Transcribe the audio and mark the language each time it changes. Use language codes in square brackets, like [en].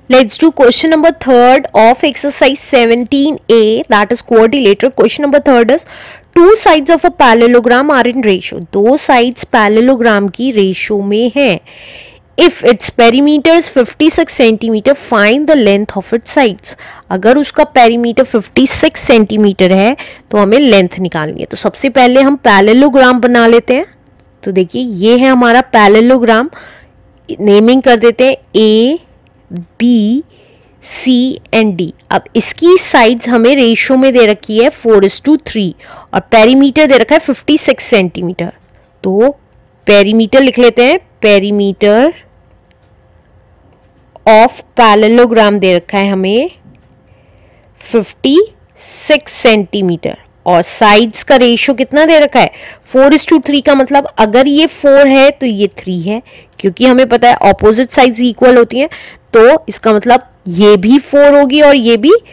[en] Let's do question number third of exercise 17A, that is quadrilateral. Question number third is, two sides of a parallelogram are in ratio. [hi] Two sides parallelogram ki ratio mein hai. [en] If its perimeter is 56 cm, find the length of its sides. [hi] अगर उसका perimeter 56 cm है, तो हमें length निकालनी है. तो सबसे पहले हम parallelogram बना लेते हैं. तो देखिए, ये है हमारा parallelogram. Naming कर देते हैं A, B, C and D. अब इसकी sides हमें ratio में दे रखी है 4:3 और perimeter दे रखा है 56 cm. तो perimeter लिख लेते हैं. Perimeter of parallelogram दे रखा है हमें 56 cm और sides का ratio कितना दे रखा है 4:3 का मतलब अगर ये 4 है तो ये 3 है क्योंकि हमें पता है opposite sides equal होती हैं तो इसका मतलब ये भी 4 होगी और ये भी